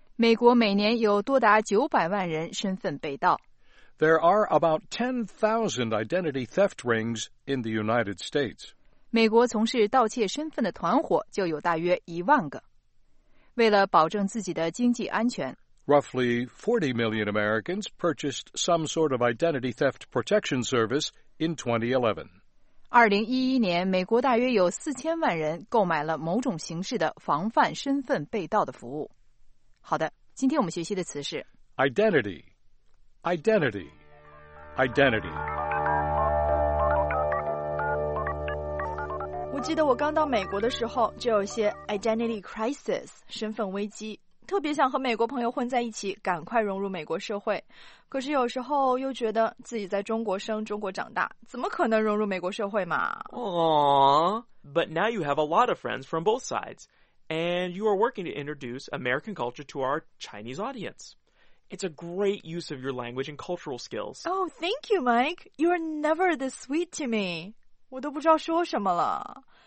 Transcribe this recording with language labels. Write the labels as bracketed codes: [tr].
[zh] 美国每年有多达900万人身份被盗。 [en] There are about 10,000 identity theft rings in the United States. [zh] 美国从事盗窃身份的团伙就有大约1万个。为了保证自己的经济安全， [en] Roughly 40 million Americans purchased some sort of identity theft protection service in 2011. [zh] 2011年，美国大约有4000万人购买了某种形式的防范身份被盗的服务。好的，今天我们学习的词是 [en] identity, identity, identity。 [zh] 我记得我刚到美国的时候，就有些 identity crisis, 身份危机，特别想和美国朋友混在一起，赶快融入美国社会。可是有时候又觉得自己在中国生、中国长大，怎么可能融入美国社会嘛？ [en] But now you have a lot of friends from both sides, and you are working to introduce American culture to our Chinese audience. It's a great use of your language and cultural skills. Oh, thank you, Mike. You are never this sweet to me. [zh] 我都不知道说什么了。